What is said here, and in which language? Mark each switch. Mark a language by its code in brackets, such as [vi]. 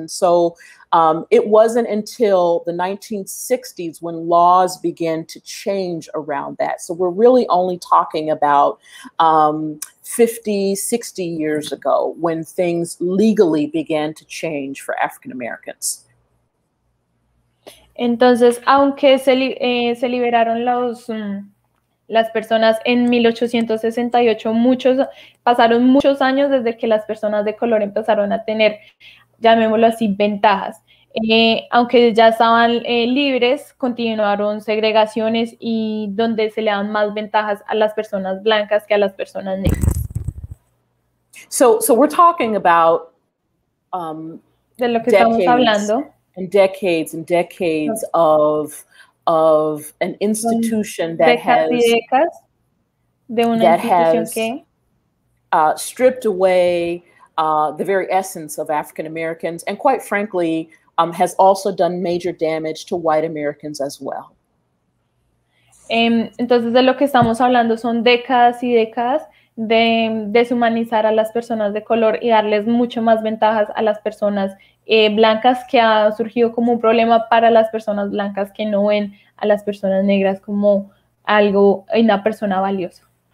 [en] And so it wasn't until the 1960s when laws began to change around that. So we're really only talking about 50, 60 years ago when things legally began to change for African Americans. [es] Entonces, aunque se liberaron las personas en 1868, pasaron muchos años desde que las personas de color empezaron a tener, llamémoslo así, ventajas. Aunque ya estaban libres, continuaron segregaciones, y donde se le dan más ventajas a las personas blancas que a las personas negras. [en] So we're talking about [es] de lo que estamos hablando. [en] And decades and decades of an institution that has stripped away the very essence of African Americans, and quite frankly, has also done major damage to white Americans as well. [es] Entonces, de lo que estamos hablando son décadas y décadas de deshumanizar a las personas de color y darles mucho más ventajas a las personas blancas, que ha surgido como un problema para las personas blancas que no ven a las personas negras como algo, una persona valiosa.